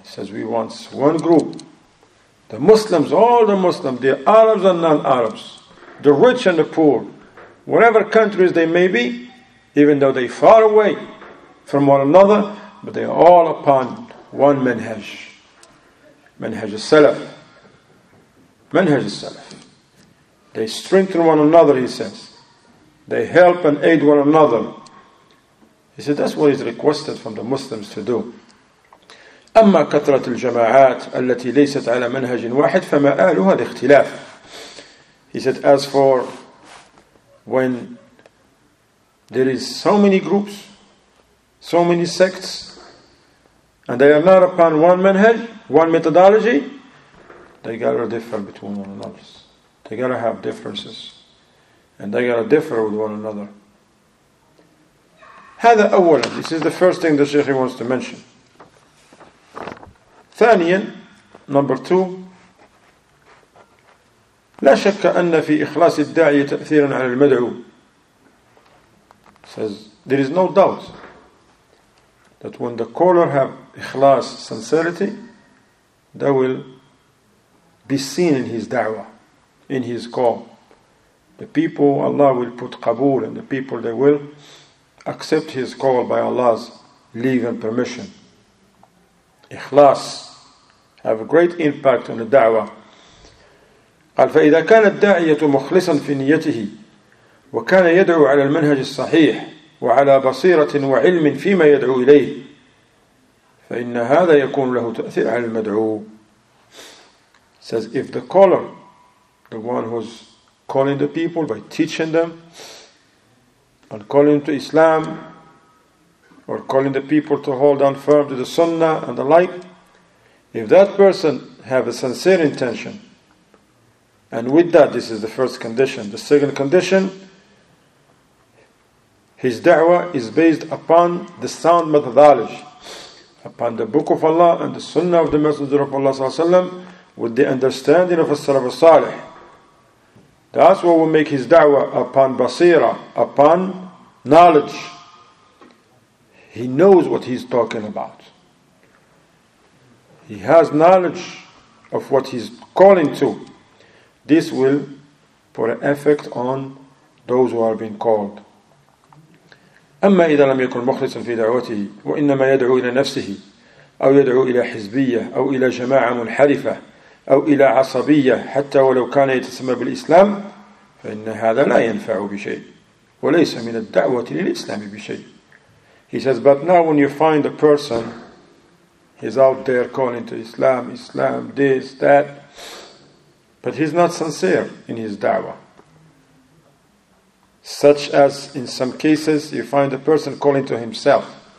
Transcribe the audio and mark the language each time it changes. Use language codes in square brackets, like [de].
[en] He says we want one group. The Muslims, all the Muslims, the Arabs and non-Arabs, the rich and the poor, whatever countries they may be, even though they far away from one another, but they are all upon one manhaj. Manhaj al-Salaf. Manhaj al-Salaf. They strengthen one another, he says. They help and aid one another. He said, that's what is requested from the Muslims to do. [ar] أما كثرة الجماعات التي ليست على منهج واحد فما آلها الاختلاف. [en] He said, as for when there is so many groups, so many sects, and they are not upon one manhaj, one methodology, they gotta differ between one another. They gotta have differences. And they gotta differ with one another. [ar] هذا أولا. [en] This is the first thing the Sheikh wants to mention. [ar] ثانيا, [en] number two, [ar] لا شك أن في إخلاص الداعي تأثيرا على المدعو. [en] Says, there is no doubt that when the caller have إخلاص, sincerity, that will be seen in his da'wah, in his call. The people, Allah will put qabool, and the people, they will accept his call by Allah's leave and permission. إخلاص have a great impact on the da'wah. [ar] قال فإذا كان الداعية مخلصا في نيته وكان يدعو على المنهج الصحيح وعلى بصيرة وعلم فيما يدعو إليه فإن هذا يكون له تأثير على المدعو. [en] Says if the caller, the one who's calling the people by teaching them and calling to Islam or calling the people to hold on firm to the sunnah and the like, if that person have a sincere intention, and with that, this is the first condition. The second condition, his da'wah is based upon the sound methodology, upon the Book of Allah and the Sunnah of the Messenger of Allah sallallahu alaihi wasallam, with the understanding of As-Salaf As-Salih. That's what will make his da'wah upon basira, upon knowledge. He knows what he's talking about. He has knowledge of what he's calling to. This will put an effect on those who are being called. [ar] أما إذا لم يكن مخلصا في دعوته وإنما يدعو إلى نفسه أو يدعو إلى حزبية أو إلى جماعة منحرفة أو إلى عصبية حتى ولو كان يتسمى بالإسلام فإن هذا لا ينفع بشيء وليس من الدعوة للإسلام بشيء. [en] He says, but now when you find a person, he's out there calling to Islam, Islam, this, that, but he's not sincere in his da'wah. Such as in some cases, you find a person calling to himself.